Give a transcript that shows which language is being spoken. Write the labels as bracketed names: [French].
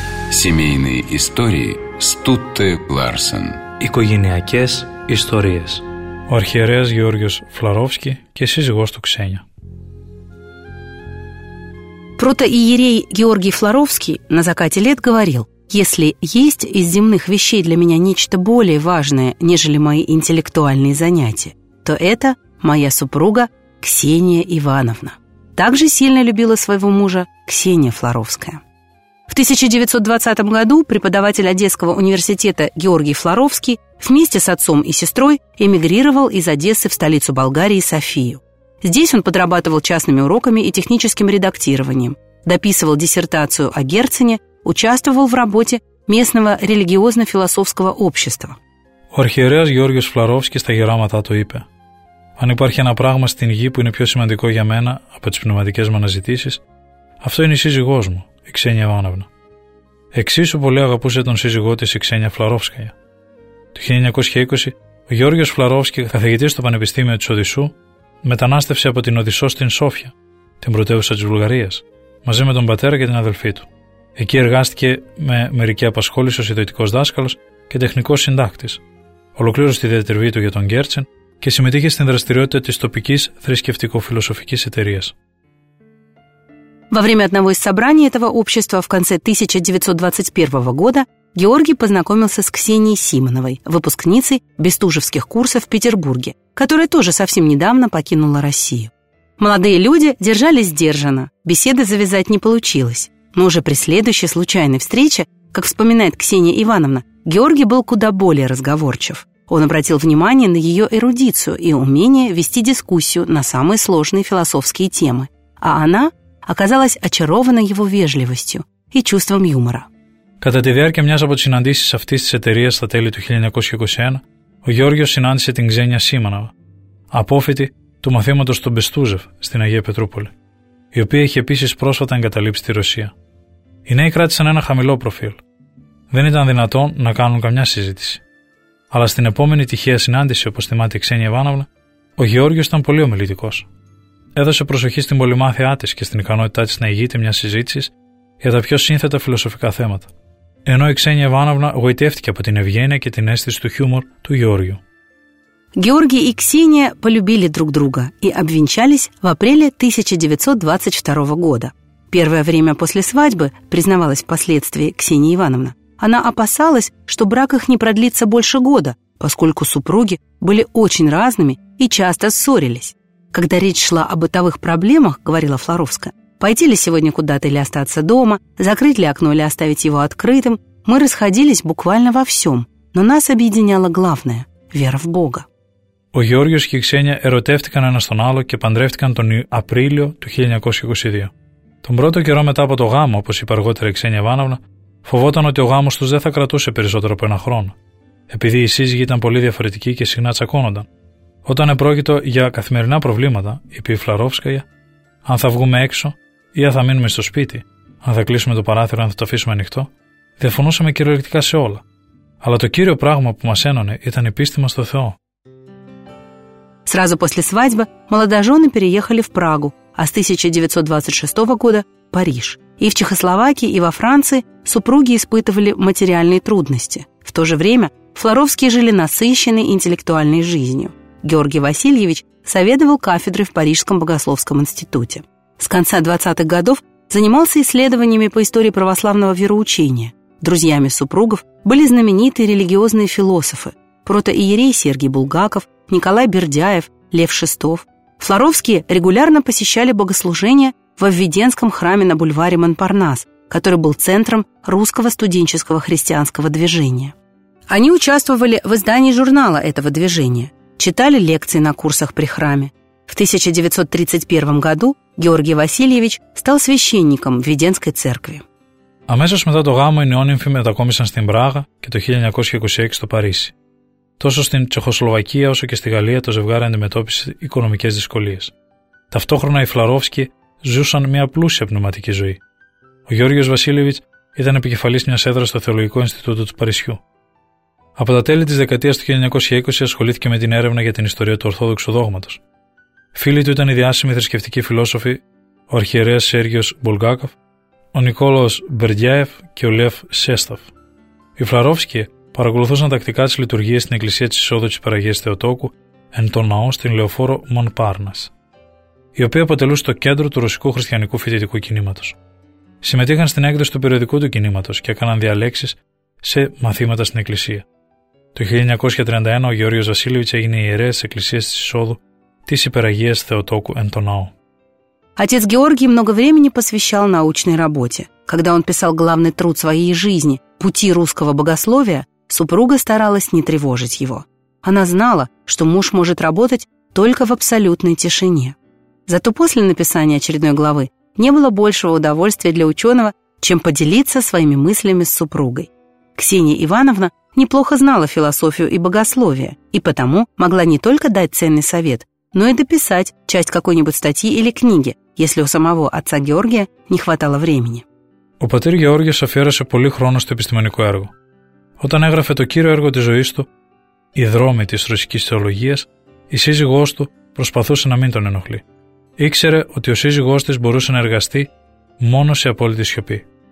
[Russian] Семейные истории Стутте Ларсен. [Greek] Οικογενειακές ιστορίες. Ο αρχιερέας Γεώργιος Φλαρόφσκι και σύζυγός του Ξένια. [Russian] Протоиерей Георгий Флоровский на закате лет говорил: «Если есть из земных вещей для меня нечто более важное, нежели мои интеллектуальные занятия, то это моя супруга Ксения Ивановна». Также сильно любила своего мужа Ксения Флоровская. В 1920 году преподаватель Одесского университета Георгий Флоровский вместе с отцом и сестрой эмигрировал из Одессы в столицу Болгарии Софию. Здесь он подрабатывал частными уроками и техническим редактированием, дописывал диссертацию о Герцене, участвовал в работе местного религиозно-философского общества. [Greek] Ο αρχιερέας Γεώργιος Φλαρόφσκι στα γεράματά του είπε: «Αν υπάρχει ένα πράγμα στην γη που είναι πιο σημαντικό για μένα από τις πνευματικές μου αναζητήσεις, αυτό είναι η σύζυγός μου, η Ξένια Ιβάνοβνα». Εξίσου πολύ αγαπούσε τον σύζυγό της η Ξένια Φλαρόφσκαια. Το 1920 ο Γεώργιος Φλαρόφσκι, καθηγητής στο Πανεπιστήμιο της Οδυσσού, μετανάστευσε από την Οδυσσό στην Σόφια, την πρωτεύουσα της Βουλγαρίας, μαζί με τον πατέρα και την αδελφή του. Εκεί εργάστηκε με μερική απασχόληση ως ιδιωτικός δάσκαλος και τεχνικός συντάκτης. Ολοκλήρωσε τη διατριβή του για τον Γκέρτσεν και συμμετείχε στην δραστηριότητα της τοπικής θρησκευτικοφιλοσοφικής εταιρείας. [Russian] Во время одного из собраний этого общества в конце 1921 года Георгий познакомился с Ксенией Симоновой, выпускницей бестужевских курсов в Петербурге, которая тоже совсем недавно покинула Россию. Молодые люди держались сдержанно, беседы завязать не получилось. Но уже при следующей случайной встрече, как вспоминает Ксения Ивановна, Георгий был куда более разговорчив. Он обратил внимание на ее эрудицию и умение вести дискуссию на самые сложные философские темы. А она оказалась очарована его вежливостью и чувством юмора. [Greek] Κατά τη διάρκεια μιας από τις συναντήσεις αυτής της εταιρείας στα τέλη του 1921, ο Γεώργιος συνάντησε την Ξένια Σίμανοβα, απόφοιτη του μαθήματος του Μπεστούζεφ στην Αγία Πετρούπολη, η οποία είχε επίσης πρόσφατα εγκαταλείψει τη Ρωσία. Οι νέοι κράτησαν ένα χαμηλό προφίλ. Δεν ήταν δυνατόν να κάνουν καμιά συζήτηση. Αλλά στην επόμενη τυχαία συνάντηση, όπως θυμάται η Ξένια Ιβάνοβνα, ο Γεώργιος ήταν πολύ ομιλητικός. Έδωσε προσοχή στην πολυμάθειά της και στην ικανότητά της να ηγείται μια συζήτηση για τα πιο σύνθετα φιλοσοφικά θέματα. Ενώ η Ξένια Ιβάνοβνα γοητεύτηκε από την ευγένεια και την αίσθηση του χιούμορ του Γεώργιου. [Russian] Георгий и Ксения полюбили друг друга и обвенчались в апреле 1922 года. Первое время после свадьбы, признавалась впоследствии Ксения Ивановна, она опасалась, что брак их не продлится больше года, поскольку супруги были очень разными и часто ссорились. «Когда речь шла о бытовых проблемах, — говорила Флоровская, — пойти ли сегодня куда-то или остаться дома, закрыть ли окно или оставить его открытым, мы расходились буквально во всем, но нас объединяло главное — вера в Бога». [Greek] Ο Γεώργιος και η Ξένια ερωτεύτηκαν ένας τον άλλο και παντρεύτηκαν τον Απρίλιο του 1922. Τον πρώτο καιρό μετά από το γάμο, όπως είπε αργότερα η Ξένια Ιβάνοβνα, φοβόταν ότι ο γάμος τους δεν θα κρατούσε περισσότερο από ένα χρόνο, επειδή οι σύζυγοι ήταν πολύ διαφορετικοί και συχνά τσακώνονταν. Όταν επρόκειτο για καθημερινά προβλήματα, είπε η Φλαρόφσκαια, αν θα βγούμε έξω ή αν θα μείνουμε στο σπίτι, αν θα κλείσουμε το παράθυρο, αν θα το αφήσουμε ανοιχτό, διαφωνούσαμε κυριολεκτικά σε όλα. Αλλά το κύριο πράγμα που μας ένωνε ήταν η πίστη μας στο Θεό. [Russian] Сразу после свадьбы молодожены переехали в Прагу, а с 1926 года – Париж. И в Чехословакии, и во Франции супруги испытывали материальные трудности. В то же время Флоровские жили насыщенной интеллектуальной жизнью. Георгий Васильевич соведовал кафедрой в Парижском богословском институте. С конца 20-х годов занимался исследованиями по истории православного вероучения. Друзьями супругов были знаменитые религиозные философы – протоиерей Сергий Булгаков, Николай Бердяев, Лев Шестов. Флоровские регулярно посещали богослужения во Введенском храме на бульваре Монпарнас, который был центром русского студенческого христианского движения. Они участвовали в издании журнала этого движения. читали лекции на курсах при храме. В 1931 году Георгий Васильевич стал священником в Веденской церкви. [Greek] Αμέσως μετά το γάμο οι νεόνυμφοι μετακόμισαν στην Πράγα και το 1926 στο Παρίσι. Τόσο στην Τσεχοσλοβακία όσο και στη Γαλλία το ζευγάρι αντιμετώπισε οικονομικές δυσκολίες. Ταυτόχρονα οι Φλαρόφσκοι ζούσαν μια πλούσια πνευματική ζωή. Ο Γιώργος Βασίλεβιτς ήταν επικεφαλής μιας έδρας στο Θεολογικό Ινστιτούτο του Παρισιού. Από τα τέλη της δεκαετίας του 1920 ασχολήθηκε με την έρευνα για την ιστορία του Ορθόδοξου Δόγματος. Φίλοι του ήταν οι διάσημοι θρησκευτικοί φιλόσοφοι, ο αρχιερέας Σέργιος Μπουλγάκοφ, ο Νικόλαος Μπερντιάεφ και ο Λεφ Σέσταφ. Οι Φλαρόφσκοι παρακολουθούσαν τακτικά τις λειτουργίες στην Εκκλησία της Εισόδου της Παναγίας Θεοτόκου εν τον ναό στην Λεωφόρο Μονπάρνας, η οποία αποτελούσε το κέντρο του ρωσικού χριστιανικού φοιτητικού κινήματος. Συμμετείχαν στην έκδοση του περιοδικού του κινήματος και έκαναν διαλέξεις σε μαθήματα στην Εκκλησία. Το 1931 ο Γεώργιος Βασίλειβιτς έγινε ιερέας της Εκκλησίας της Εισόδου της Υπεραγίας Θεοτόκου εν τον ναό. [Russian] Отец Георгий много времени посвящал научной работе. Когда он писал главный труд своей жизни «Пути русского богословия», супруга старалась не тревожить его. Она знала, что муж может работать только в абсолютной тишине. Зато после написания очередной главы не было большего удовольствия для ученого, чем поделиться своими мыслями с супругой. Ксения Ивановна неплохо знала философию и богословие, и потому могла не только дать ценный совет, но и дописать часть какой-нибудь статьи или книги, если у самого отца Георгия не хватало времени. [Greek] Ο πατήρ Γεώργιος αφιέρωσε πολύ χρόνο στο επιστημονικό έργο. Όταν έγραφε το κύριο έργο της ζωής του, «Οι δρόμοι της ρωσικής θεολογίας», η σύζυγός του προσπαθούσε να μην τον ενοχλεί. Ήξερε ότι ο σύζυγός της μπορούσε να εργαστεί μόνο σε απόλυτη σιωπή.